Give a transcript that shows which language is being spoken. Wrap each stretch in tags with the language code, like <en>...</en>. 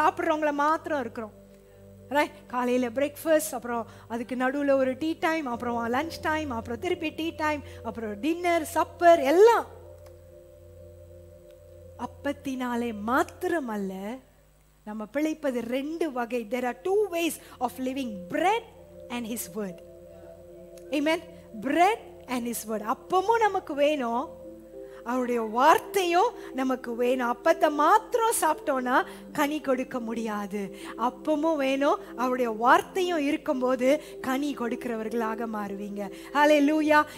<ta>சாப்பிடுறவங்கள மாத்திரம் இருக்கிறோம். காலையில பிரேக்ஃபாஸ்ட், அப்புறம் அதுக்கு நடுவுல ஒரு டீ டைம், அப்புறம் லஞ்ச் டைம், அப்புறம் திருப்பி டீ டைம், அப்புறம் டின்னர், சப்பர், எல்லாம் அப்பத்தினாலே மாத்திரம் அல்ல. நம்ம பிழைப்பது ரெண்டு வகை.</ta> <en>There are two ways of living: bread and his word. Amen. Bread and his word.</en> <ta>அப்பமும் நமக்கு வேணும், அவருடைய வார்த்தையும் நமக்கு வேணும். அப்பத்தை மாத்திரம் சாப்பிட்டோம்னா கனி கொடுக்க முடியாது. அப்பமும் வேணும், அவருடைய வார்த்தையும் இருக்கும்போது கனி கொடுக்கிறவர்களாக மாறுவீங்க. ஹல்லேலூயா.</ta>